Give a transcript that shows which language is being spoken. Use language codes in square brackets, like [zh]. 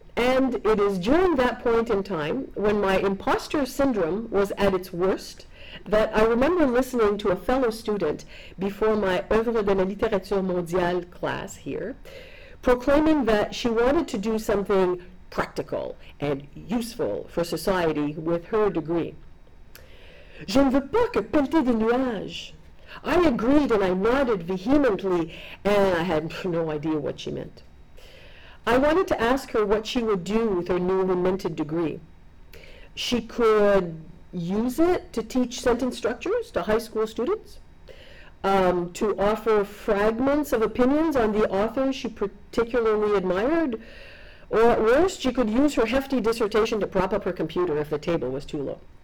[en] And it is during that point in time, when my imposter syndrome was at its worst, that I remember listening to a fellow student before my Œuvre de la littérature mondiale class here, proclaiming that she wanted to do something practical and useful for society with her degree. [fr] Je ne veux pas que pelleter des nuages. [en] I agreed and I nodded vehemently, and I had no idea what she meant. I wanted to ask her what she would do with her newly minted degree. She could use it to teach sentence structures to high school students, to offer fragments of opinions on the authors she particularly admired, or at worst, she could use her hefty dissertation to prop up her computer if the table was too low.